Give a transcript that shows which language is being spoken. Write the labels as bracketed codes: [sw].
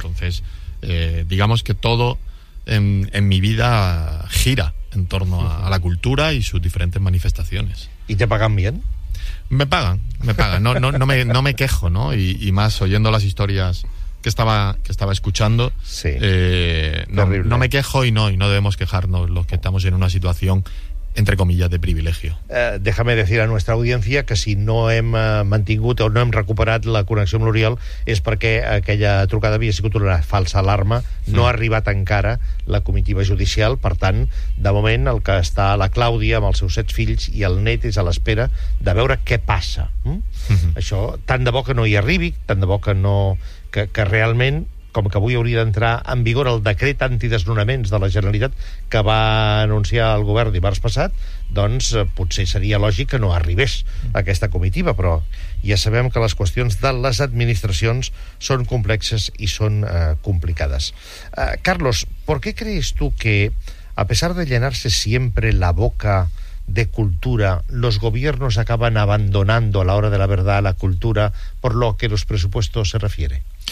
[es] Entonces, digamos que todo en mi vida gira en torno a la cultura y sus diferentes manifestaciones. ¿Y te pagan bien? Me pagan, no me quejo, ¿no? Y más oyendo las historias que estaba escuchando, sí. No me quejo y no debemos quejarnos los que estamos en una situación, entre comillas, de privilegio. Déjame decir a nuestra audiencia que si no [ca] hem mantingut o no hem recuperat la connexió amb l'Oriol és perquè aquella trucada havia sigut una falsa alarma, sí. No ha arribat encara la comitiva judicial, per tant, de moment el que està la Clàudia amb els seus 7 fills i el net és a l'espera de veure què passa. Això, tant de bo que no hi arribi, tant de bo que no... que realment, com que avui hauria d'entrar en vigor el decret antidesnonaments de la Generalitat que va anunciar el govern dimarts passat, doncs potser seria lògic que no arribés aquesta comitiva, però ja sabem que les qüestions de les administracions són complexes i són complicades. [es] Carlos, ¿por qué crees tú que, a pesar de llenarse siempre la boca de cultura, los gobiernos acaban abandonando a la hora de la verdad la cultura por lo que los presupuestos se refiere?